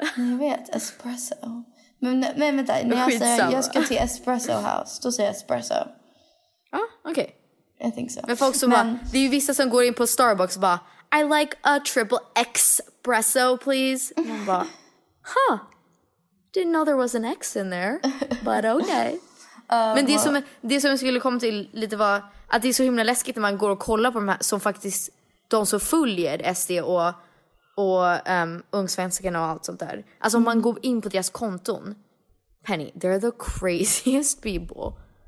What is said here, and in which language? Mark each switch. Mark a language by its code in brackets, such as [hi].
[sv] Jag vet, espresso. Men vänta, när jag säger jag ska till espresso house, då säger jag espresso. Ja, okej. Jag [en] think so. [sv] Men folk som bara, det är ju vissa som går in på Starbucks och bara [en] I like a triple espresso, please. [sv] Man bara, huh. [en] Didn't know there was an X in there, but okay. [sv] Men det som jag skulle komma till lite var att det är så himla läskigt när man går och kollar på de här som faktiskt, de som följer SD och ungsvenskarna och allt sånt där. Alltså om man går in på deras konton, Penny, [en] they're the craziest people.